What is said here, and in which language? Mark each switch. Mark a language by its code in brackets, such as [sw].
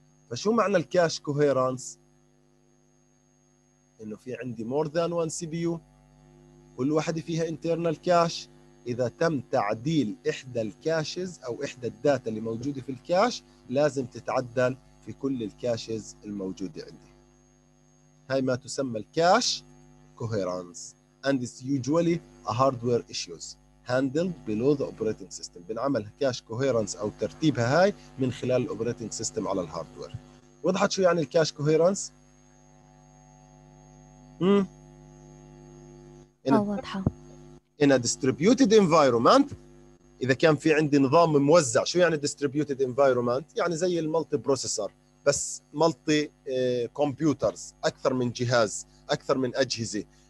[ar] فشو معنى الكاش كوهيرانس؟ انه في عندي مور ذان وان سي بي يو كل واحدة فيها انترنال كاش. اذا تم تعديل احدى الكاشز او احدى الداتا اللي موجودة في الكاش لازم تتعدل في كل الكاشز الموجودة عندي. هاي ما تسمى الكاش كوهيرانس. [en] And it's usually a hardware issues handled below the operating system. [ar] بنعمل كاش كوهيرانس او ترتيبها هاي من خلال الاوبريتنج سيستم على الهاردوير. وضحت شو يعني الكاش كوهيرانس؟ واضحه. ان ديستريبيوتد انفايرمنت اذا كان في عندي نظام موزع شو يعني ديستريبيوتد انفايرمنت؟ يعني زي المالتي بروسيسور بس مالتي كمبيوترز اكثر من جهاز اكثر من اجهزه.